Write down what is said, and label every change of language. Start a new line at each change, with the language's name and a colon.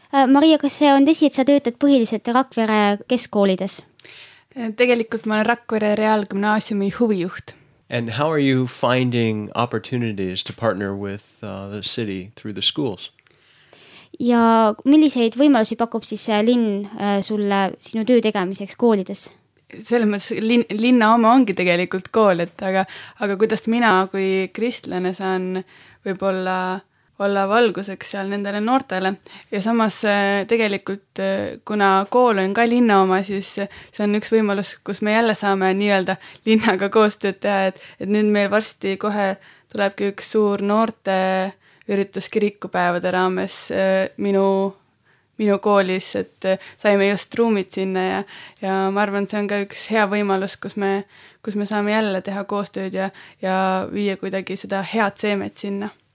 Estonian: Maria, kas see on tõsi, et sa töötad põhiliselt Rakvere keskkoolides? Tegelikult ma olen Rakvere Reaalgümnaasiumi huvijuht.
English: And how are you finding opportunities to partner with the city through the schools?
Estonian: Ja milliseid võimalusi pakub siis linn sulle sinu töö tegemiseks koolides? Selles mõttes linna oma ongi tegelikult kool, aga kuidas mina kui kristlane saan võib-olla olla valguseks seal nendele noortele. Ja samas tegelikult, kuna kool on ka linna oma, siis see on üks võimalus, kus me jälle saame nii-öelda linnaga koostööd teha, et nüüd meil varsti kohe tulebki üks suur noorte üritus kirikupäevade raames minu koolis, et saime just ruumid sinna ja ma arvan, see on ka üks hea võimalus, kus me saame jälle teha koostööd ja viia kuidagi seda head seemet sinna.